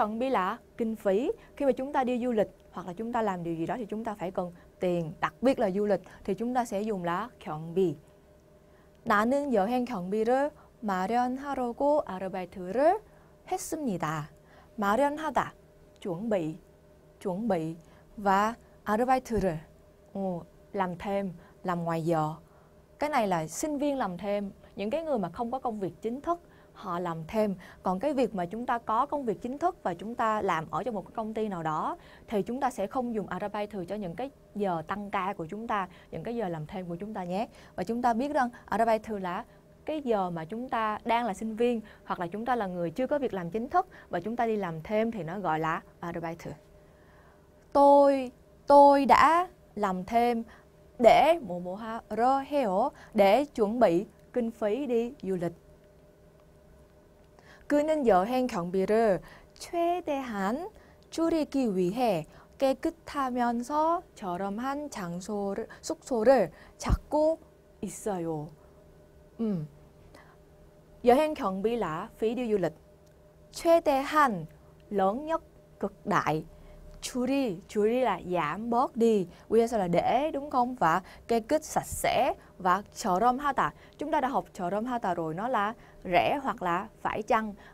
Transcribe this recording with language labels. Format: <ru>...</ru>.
<vi>là kinh phí khi mà chúng ta đi du lịch hoặc là chúng ta làm điều gì đó thì chúng ta phải cần tiền, đặc biệt là du lịch thì chúng ta sẽ dùng là 경비.</vi> <ko>나는 여행 경비를 마련하려고 아르바이트를 했습니다. 마련하다, 준비, 준비</ko> <vi>và Arbeiter, làm thêm, làm ngoài giờ. Cái này là sinh viên làm thêm, những cái người mà không có công việc chính thức, họ làm thêm. Còn cái việc mà chúng ta có công việc chính thức và chúng ta làm ở trong một cái công ty nào đó, thì chúng ta sẽ không dùng Arbeiter cho những cái giờ tăng ca của chúng ta, những cái giờ làm thêm của chúng ta nhé. Và chúng ta biết rằng Arbeiter là cái giờ mà chúng ta đang là sinh viên hoặc là chúng ta là người chưa có việc làm chính thức và chúng ta đi làm thêm thì nó gọi là Arbeiter. Tôi đã làm thêm để mùa mùa ha rơ heo để chuẩn bị kinh phí đi du lịch.</vi> <ko>그는 여행 경비를 최대한 줄이기 위해 깨끗하면서 저렴한 장소를 숙소를 찾고 있어요. 여행 경비</ko> <vi>là phí đi du lịch.</vi> <ko>최대한 능력</ko> <vi>cực đại.</vi> <ko>줄이,줄이</ko> <vi>là giảm bớt đi,</vi> <ko>위에서</ko> <vi>là để đúng không? Và cái kết sạch sẽ và 저렴하다. Chúng ta đã học 저렴하다 rồi, nó là rẻ hoặc là phải chăng.</vi>